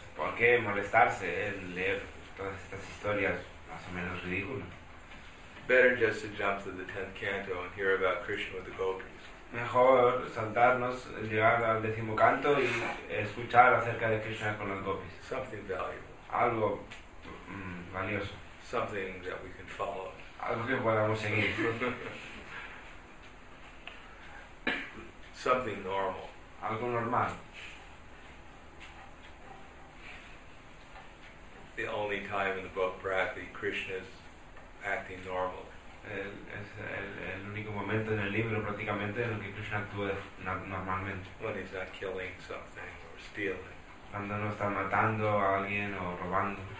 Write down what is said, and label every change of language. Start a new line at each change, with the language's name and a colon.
Spanish: ¿Por qué molestarse en leer todas estas historias más o menos ridículas?
English: Better just to jump to the 10th canto and hear about Krishna with the gopis.
Spanish: Mejor saltarnos, llegar al 10º canto y escuchar acerca de Krishna con los gopis.
English: Something valuable.
Spanish: Algo valioso.
English: something that we can follow.
Spanish: Algo que podamos seguir.
English: Something normal.
Spanish: Algo normal.
English: The only time in the book Prati, Krishna's acting normal.
Spanish: El único momento en el libro prácticamente en el que Krishna actúa normalmente.
English: When he's not killing something or stealing.
Spanish: Cuando no está matando a alguien o robando.